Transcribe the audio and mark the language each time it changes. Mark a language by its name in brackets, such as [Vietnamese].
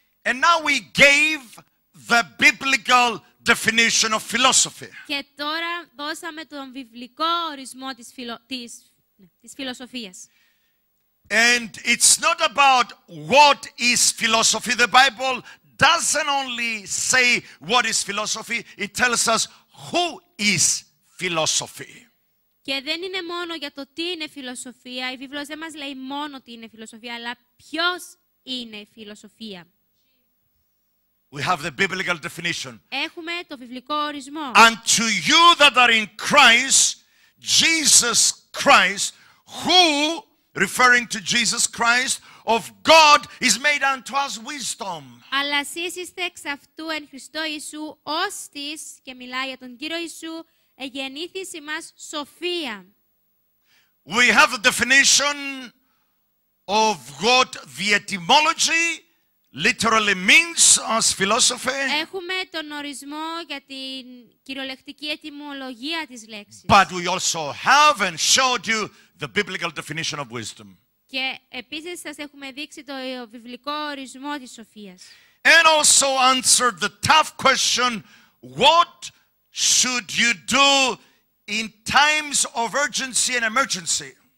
[English] And now we gave the biblical definition of philosophy. [Greek] Και τώρα δώσαμε τον βιβλικό ορισμό της φιλοσοφίας. [English] And it's not about what is philosophy. The Bible doesn't only say what is philosophy, it tells us who is philosophy. [Greek] Και δεν είναι μόνο για το τι είναι φιλοσοφία. Η Βίβλος δεν μας λέει μόνο τι είναι φιλοσοφία, αλλά ποιος είναι φιλοσοφία. [English] We have the biblical definition. [Greek] Έχουμε το βιβλικό ορισμό. [English] And to you that are in Christ, Jesus Christ, who, referring to Jesus Christ, of God is made unto us wisdom. [Greek] Αλλά εσείς είστε εξ αυτού εν Χριστώ Ιησού, ώστις, και μιλάει για τον Κύριο Ιησού, εγεννήθης ημάς σοφία. [English] We have a definition of what the etymology literally means as philosophy. [Greek] Έχουμε τον ορισμό για την κυριολεκτική ετυμολογία της λέξης. [English] But we also have and showed you the biblical definition of wisdom. [Greek] Και επίσης σας έχουμε δείξει το βιβλικό ορισμό της σοφίας. [English] And also answered the tough question, what should you do in times of urgency and emergency?